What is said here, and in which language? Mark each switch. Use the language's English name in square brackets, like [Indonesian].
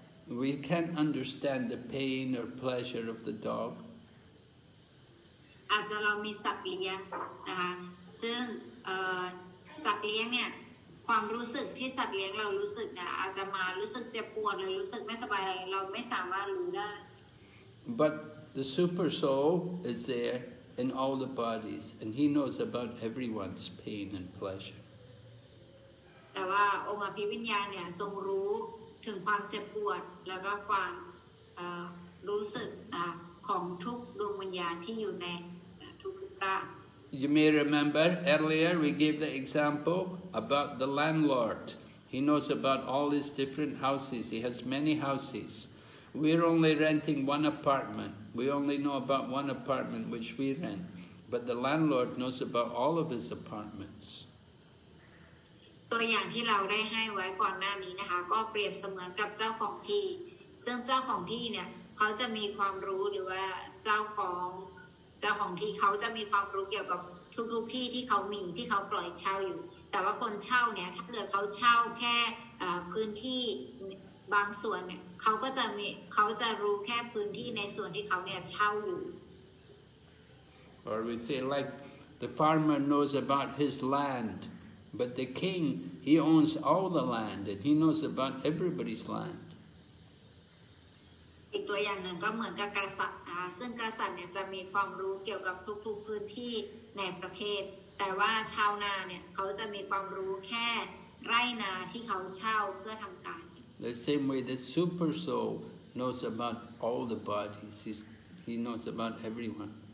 [English] We can't understand the pain or pleasure of the dog. [Thai] อาจจะเรามีสัตว์เลี้ยงนะคะซึ่งสัตว์เลี้ยงเนี่ยความรู้สึกที่สัตว์เลี้ยงเรารู้สึกนะอาจจะมารู้สึกเจ็บปวดหรือรู้สึกไม่สบายเราไม่สามารถรู้ได้ [English] But the super soul is there in all the bodies and he knows about everyone's pain and pleasure [Thai] แต่ว่าองค์อภิวิญญาณเนี่ยทรงรู้ถึงความเจ็บปวดแล้วก็ความรู้สึกของทุกดวงวิญญาณที่อยู่ในทุกร่าง [English] You may remember earlier we gave the example about the landlord. He knows about all his different houses. He has many houses. We're only renting one apartment. We only know about one apartment which we rent. But the landlord knows about all of his apartments. [Thai] ตัวอย่างที่เราได้ให้ไว้ก่อนหน้านี้นะคะก็เปรียบเสมือนกับเจ้าของที่ซึ่งเจ้าของที่เนี่ยเขาจะมีความรู้หรือว่าเจ้าของที่เขาจะมีความรู้เกี่ยวกับ ทุกๆที่ที่เขามีที่เขาปล่อยเช่าอยู่แต่ว่าคนเช่าเนี่ยถ้าเกิดเขาเช่าแค่พื้นที่บางส่วนเนี่ยเขาก็จะมีเขาจะรู้แค่พื้นที่ในส่วนที่เขาเนี่ยเช่าอยู่ [English] Or we say like the farmer knows about his landBut the king, he owns all the land, and he knows about everybody's land. [Thai] อีกตัวอย่างหนึ่งก็เหมือนกับกษัตริย์ซึ่งกษัตริย์เนี่ยจะมีความรู้เกี่ยวกับทุกๆพื้นที่ในประเทศแต่ว่าชาวนาเนี่ยเขาจะมีความรู้แค่ไร่นาที่เขาเช่าเพื่อทำการ [English] The same way the super soul knows about all the bodies, he knows about everyone.